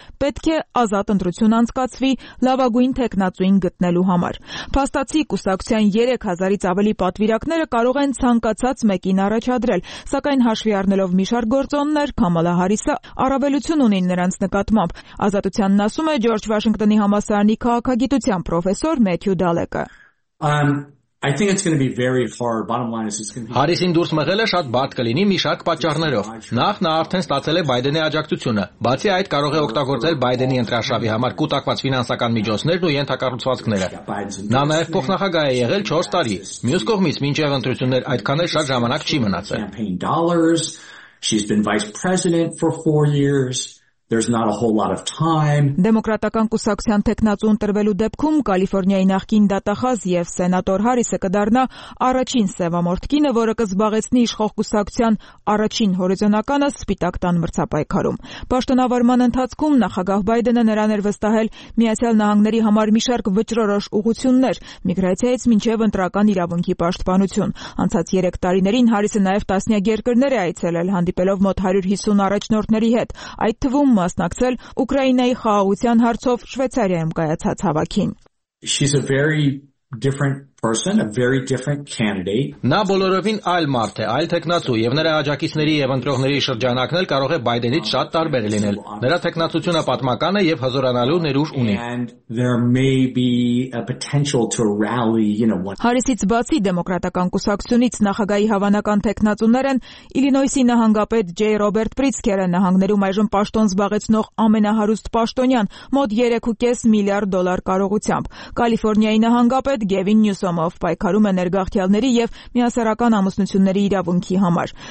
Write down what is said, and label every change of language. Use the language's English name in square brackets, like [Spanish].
[Armenian] պետք է ազատ ընտրություն անցկացվի լավագույն թեկնածուին գտնելու համար։ Փաստացի կուսակցության 3000-ից ավելի պատվիրակները կարող են ցանկացած մեկին առաջադրել, սակայն հաշվի առնելով մի շարք գործոններ, Քամալա Հարիսը առավելություն ունի նրանց նկատմամբ։ Ազատությանն ասում է Ջորջ Վաշինգտոնի համալսարանի քաղաքագիտության պրոֆեսոր Մեթյու Դալեկը. [English] I think it's going to be very hard. Bottom line is it's going to be [Armenian] Հարիսին դուրս մղելը շատ բարդ կլինի մի շարք պատճառներով։ Նախ նա արդեն ստացել է Բայդենի աջակցությունը, բացի այդ կարող է օգտագործել Բայդենի ընտրաշավի համար կուտակված ֆինանսական միջոցներն ու ենթակառուցվածքները։ Նա նաև փոխնախագահ է եղել 4 տարի։ Մյուս կողմից, մինչև ընտրություններ այդքան էլ շատ ժամանակ չի մնացել։ [English] She's been vice president for 4 years. There's not a whole lot of time. [Armenian] Դեմոկրատական կուսակցության թեկնածու ընտրվելու դեպքում Կալիֆոռնիայի նախկին դատախազ եւ սենատոր Հարիսը կդառնա առաջին սևամորթ կինը, որը կզբաղեցնի իշխող կուսակցության առաջին հորիզոնականը Սպիտակ տան մրցապայքարում։ Պաշտոնավարման ընթացքում նախագահ Բայդենը նրան էր վստահել Միացյալ Նահանգների համար մի շարք վճռորոշ ուղություններ՝ միգրացիայից մինչև ընտրական իրավունքի պաշտպանություն։ Անցած 3 տարիներին Հարիսը նաեւ տասնյակ երկրներ է այցելել, հանդիպելով մոտ 150 առաջնորդների հետ, այդ թվում մասնակցել Ուկրաինայի խաղաղության հարցով Շվեյցարիայում կայացած հավաքին։ [English] She's a very different person, a very different candidate. [Armenian] Նա բոլորովին այլ մարդ է, այլ թեկնածու եւ նրա աջակիցների եւ ընտրողների շրջանակն էլ կարող է Բայդենից շատ տարբեր լինել։ Նրա թեկնածությունը պատմական է եւ հզորանալու ներուժ ունի։ [English] There may be a potential to rally, you know, one. [Armenian] Հարիսից բացի դեմոկրատական կուսակցությունից նախագահի հավանական թեկնածուներ են Իլինոյսի նահանգապետ Ջեյ Ռոբերտ Պրիցկերը, նահանգներում այժմ պաշտոն զբաղեցնող ամենահարուստ պաշտոնյան, մոտ 3.5 միլիարդ դոլար կարողությամբ։ Կալիֆոռնիայի նահանգապետ Գևին Նյուսոմով պայքարում է ներգաղթյալների եւ միասեռական ամուսնությունների իրավունքի համար։